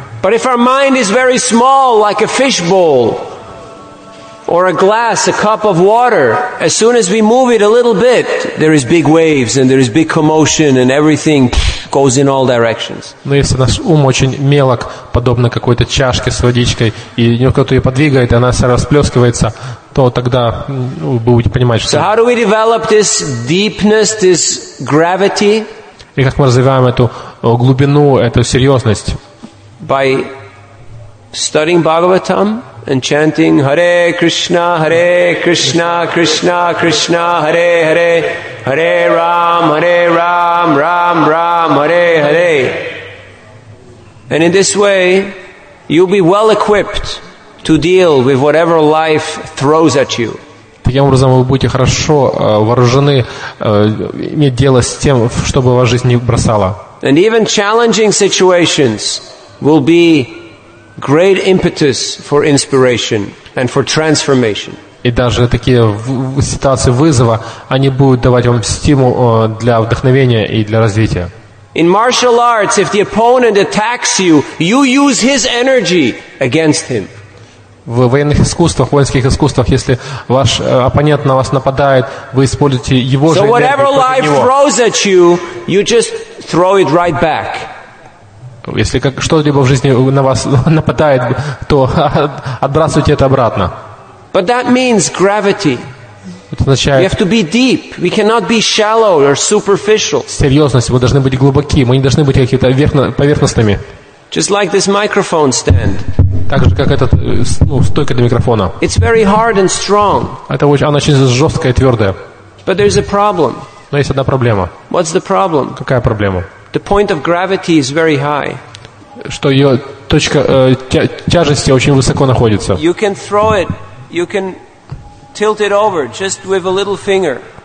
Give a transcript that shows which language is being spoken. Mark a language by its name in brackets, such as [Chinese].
[English] But if our mind is very small, like a fish bowl, or a glass, a cup of water, as soon as we move it a little bit, there is big waves and there is big commotion and everything goes in all directions. [Russian] Но если наш ум очень мелок, подобно какой-то чашке с водичкой, и немного кто-то ее подвигает, и она вся расплескивается, то тогда вы будете понимать, что... [English] So how do we develop this deepness, this gravity? [Russian] И как мы развиваем эту глубину, эту серьезность? [English] By studying Bhagavatam, and chanting Hare Krishna, Hare Krishna, Krishna Krishna, Hare Hare, Hare Ram, Hare Ram, Ram Ram, Hare Hare. And in this way, you'll be well equipped to deal with whatever life throws at you. [Russian] Таким образом, вы будете хорошо вооружены иметь дело с тем, чтобы вас жизнь не бросала. [English] And even challenging situations will be great impetus for inspiration and for transformation. [Russian] И даже такие ситуации вызова, они будут давать вам стимул для вдохновения и для развития. [English] In martial arts, if the opponent attacks you, you use his energy against him. [Russian] В военных искусствах, воинских искусствах, если ваш оппонент на вас нападает, вы используете его же энергию против него. [English] So whatever life throws at you, you just throw it right back. [Russian] Если как что-либо в жизни на вас нападает, то отбрасывайте это обратно. [English] But that means gravity. [Russian] Это означает. [English] We have to be deep. We cannot be shallow or superficial. [Russian] Серьезность. Мы должны быть глубоки. Мы не должны быть какими-то поверхностными. [English] Just like this microphone stand. [Russian] Так же как этот стойка для микрофона. [English] It's very hard and strong. [Russian] Это очень жесткая и твердая. [English] But there's a problem. [Russian] Но есть одна проблема. [English] What's the problem? [Russian] Какая проблема? [English] The point of gravity is very high. [Russian] Что ее точка тяжести очень высоко находится. [English] You can throw it, you can tilt it over just with a little finger.